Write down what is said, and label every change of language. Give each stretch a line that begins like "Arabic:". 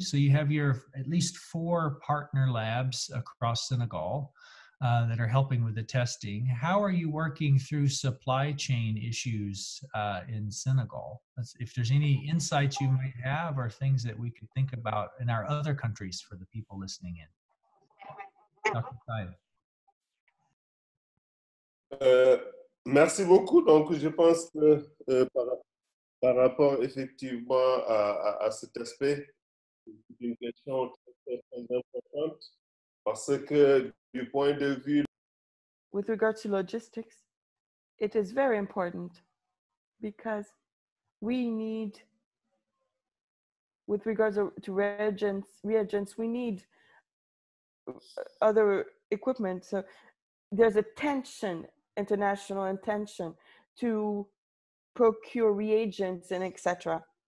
English: So you have your at least four partner labs across Senegal that are helping with the testing. How are you working through supply chain issues in Senegal? If there's any insights you might have or things that we could think about in our other countries for the people listening in. Dr. Faye.
French: Merci beaucoup. Donc, je pense que par rapport effectivement à cet aspect, c'est une question très importante parce que du point de vue.
English: With regard to logistics, it is very important because we need, with regards to reagents, we need other equipment. So there's a tension. International intention to procure reagents and etc.